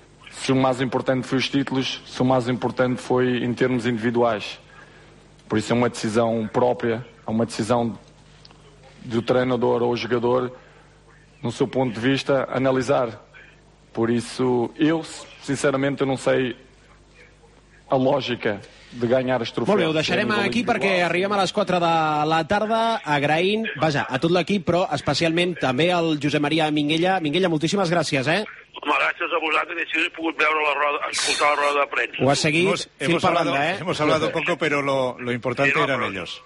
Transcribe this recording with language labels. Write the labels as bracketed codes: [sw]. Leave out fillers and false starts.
[pt] Se o mais importante foi os títulos, se o mais importante foi em termos individuais. Por isso é uma decisão própria, é uma decisão do treinador ou jogador, no seu ponto de vista, analisar. Por isso, eu, sinceramente, não sei a lógica de ganhar [ca] els [pt] trofeus. [ca] Molt bé, ho deixarem aquí perquè arribem a les 4 de la tarda agraint, vaja, a tot l'equip, però especialment també al Josep Maria Minguella. Minguella, moltíssimes gràcies, eh? Home, gràcies a vosaltres, si no he pogut veure la roda, escoltar la roda de premsa. Ho has seguit fil per banda, eh? [es] Hemos hablado poco, pero lo importante sí, no, eran ellos.